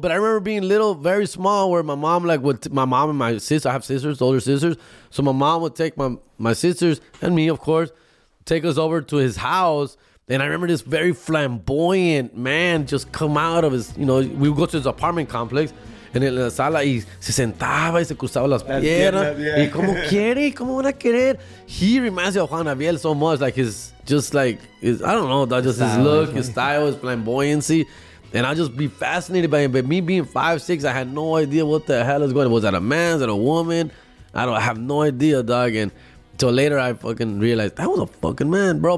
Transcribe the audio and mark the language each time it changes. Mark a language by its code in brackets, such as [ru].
[en] But I remember being little, very small, where my mom, like, would my mom and my sister. I have sisters, older sisters. So my mom would take my sisters and me, of course, take us over to his house. And I remember this very flamboyant man just come out of his. You know, we would go to his apartment complex. [es] En la sala y se sentaba y se cruzaba las piernas y como quiere y como van a querer. [en] He reminds me of Juan Gabriel so much, like his, just like his, I don't know, just style, his look, his style, his flamboyancy. And I'll just be fascinated by him. But me being 5'6", I had no idea what the hell is going on. Was that a man? Is that a woman? I have no idea, dog. And till later I fucking realized that was a fucking man, bro.